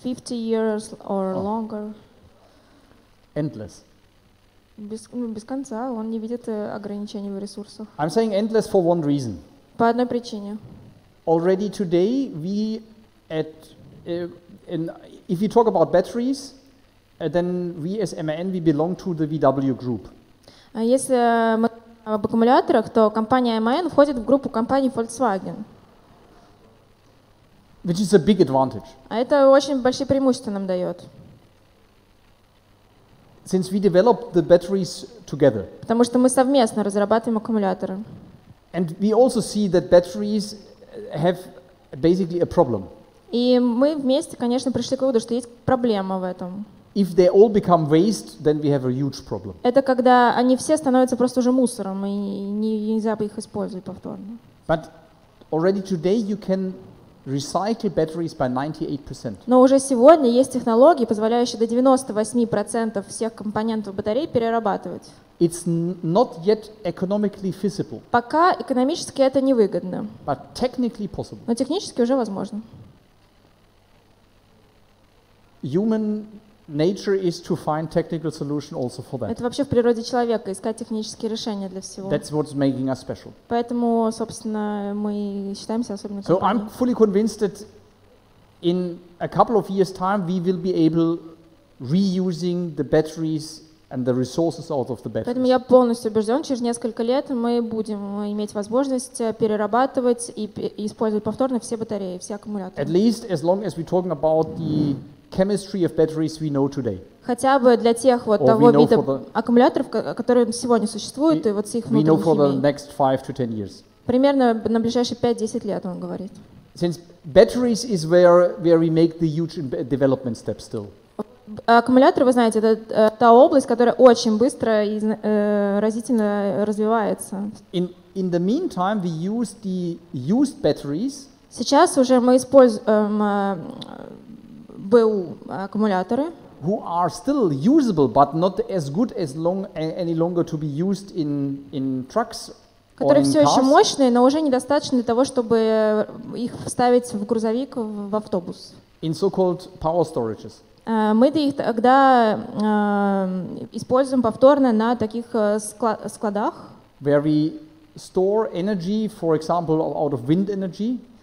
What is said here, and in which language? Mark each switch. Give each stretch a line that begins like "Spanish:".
English: 50 years or longer? Endless.
Russian: Без конца, он не видит ограничений в ресурсах.
English: I'm saying endless for one reason.
Russian: По одной причине.
English: Already today we at if you talk about batteries, then we as MAN we belong to the VW group.
Russian: Если мы об аккумуляторах, то компания MAN входит в группу компаний Volkswagen.
English: Which is a big advantage.
Russian: А это очень большие преимущества нам дает.
English: Since we developed the batteries together.
Russian: Потому что мы совместно разрабатываем аккумуляторы.
English: And we also see that batteries have basically a problem.
Russian: И мы вместе, конечно, пришли к выводу, что есть проблема в этом.
English: If they all become waste, then we have a huge problem.
Russian: Это когда они все становятся просто уже мусором, и нельзя бы их использовать повторно.
English: But already today you can recycle batteries by 98%.
Russian: Но уже сегодня есть технологии, позволяющие до 98% всех компонентов батарей перерабатывать.
English: It's not yet economically feasible.
Russian: Пока экономически это невыгодно.
English: But technically possible.
Russian: Но технически уже возможно.
English: Human nature is to find technical solution also for that.
Russian: Это вообще в природе человека искать технические решения для всего.
English: That's what's making us special.
Russian: Поэтому, собственно, мы считаемся особенно.
English: So I'm fully convinced that in a couple of years' time we will be able reusing the batteries and the resources out of the batteries.
Russian: Поэтому я полностью убежден, через несколько лет мы будем иметь возможность перерабатывать и использовать повторно все батареи, все аккумуляторы.
English: At least as long as we're talking about the chemistry of batteries we know today.
Russian: Хотя бы для тех вот того вида аккумуляторов, которые сегодня существуют, и вот с их внутренней химией. Примерно на ближайшие 5-10 лет, он говорит.
English: Since batteries is where we make the huge development step still.
Russian: Аккумулятор, вы знаете, это та область, которая очень быстро и разительно развивается.
English: In the meantime, we use the used batteries.
Russian: Сейчас уже мы используем БУ аккумуляторы,
English: who are still usable, but not as good as long any longer to be used in trucks or in cars.
Russian: Которые все еще мощные, но уже недостаточно для того, чтобы их вставить в грузовик, в автобус.
English: In so-called power storages.
Russian: Мы их тогда используем повторно на таких складах.
English: where we store energy, for example, out of wind energy.